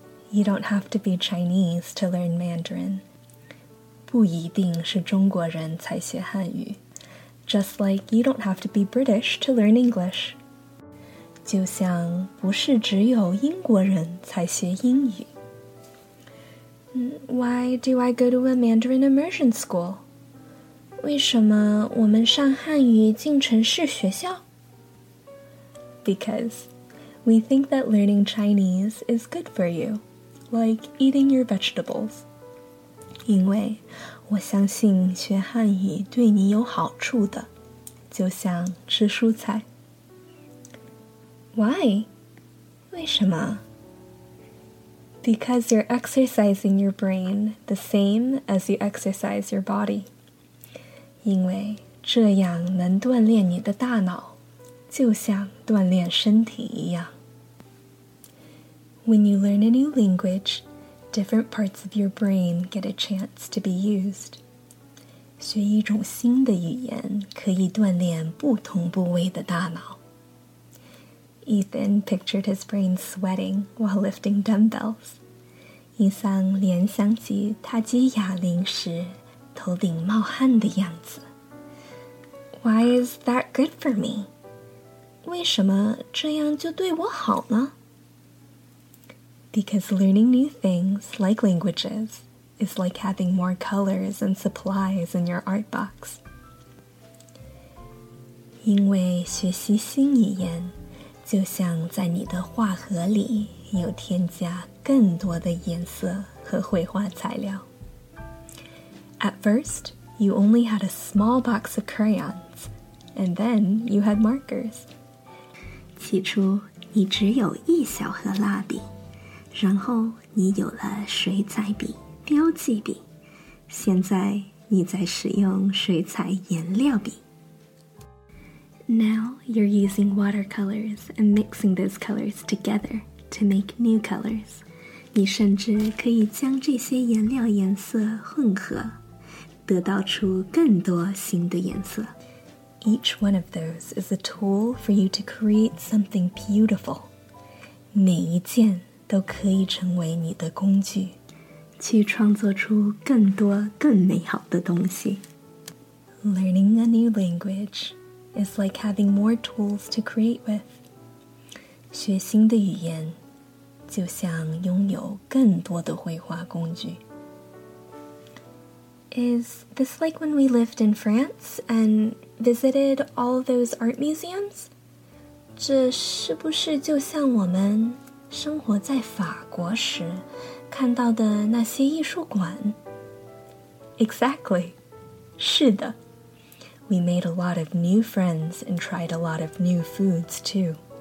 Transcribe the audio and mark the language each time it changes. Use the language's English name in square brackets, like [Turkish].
[English] You don't have to be Chinese to learn Mandarin. [Chinese] 不一定是中国人才学汉语。 [English] Just like you don't have to be British to learn English. [Chinese] 就像不是只有英国人才学英语。 [English] Why do I go to a Mandarin immersion school? [Chinese] 为什么我们上汉语进城市学校？ [English] Because we think that learning Chinese is good for you, like eating your vegetables. [Chinese] 因为我相信学汉语对你有好处的，就像吃蔬菜。 [English] Why? [Chinese] 为什么？ [English] Because you're exercising your brain the same as you exercise your body. [Chinese] 因为这样能锻炼你的大脑，就像锻炼身体一样。 [English] When you learn a new language, different parts of your brain get a chance to be used. [Chinese] 学一种新的语言可以锻炼不同部位的大脑。 [English] Ethan pictured his brain sweating while lifting dumbbells. [Chinese] 伊桑联想起他举哑铃时头顶冒汗的样子。 [English] Why is that good for me? [Chinese] 为什么这样就对我好呢？ [English] Because learning new things, like languages, is like having more colors and supplies in your art box. [Chinese] 因为学习新语言就像在你的画盒里有添加更多的颜色和绘画材料。 [English] At first, you only had a small box of crayons, and then you had markers. [Chinese] 起初你只有一小盒蜡笔，然后你有了水彩笔、标记笔，现在你在使用水彩颜料笔。 [English] Now you're using watercolors and mixing those colors together to make new colors. [Chinese] 你甚至可以将这些颜料颜色混合，得到出更多新的颜色。 [English] Each one of those is a tool for you to create something beautiful. [Chinese] 每一件都可以成为你的工具，去创作出更多更美好的东西。 [English] Learning a new language is like having more tools to create with. [Chinese] 学新的语言就像拥有更多的绘画工具。 [English] Is this like when we lived in France and visited all those art museums? [Chinese] 这是不是就像我们生活在法国时看到的那些艺术馆？ [English] Exactly. [Chinese] 是的。 [English] We made a lot of new friends and tried a lot of new foods, too.